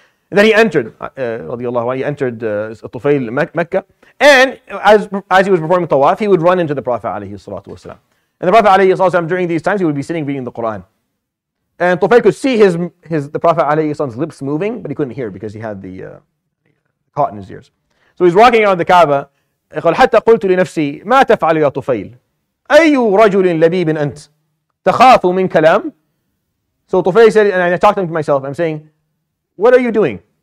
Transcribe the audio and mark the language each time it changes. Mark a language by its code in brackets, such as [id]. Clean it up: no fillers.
[en] And then he entered, radiallahu anhu, he entered Tufayl Mecca, and as he was performing tawaf, he would run into the Prophet alayhi salatu wasalam. And the Prophet alayhi salatu wasalam, during these times, he would be sitting reading the Quran. And Tufayl could see the Prophet alayhi salatu wasalam's lips moving, but he couldn't hear because he had the cotton in his ears. So he's walking around the Kaaba. [ar] قال حتى قلت لنفسي ما تفعل يا طفيل أي رجل لبيب أنت تخاف من كلام. [en] So Tufayl said, and I talked to myself, I'm saying, what are you doing?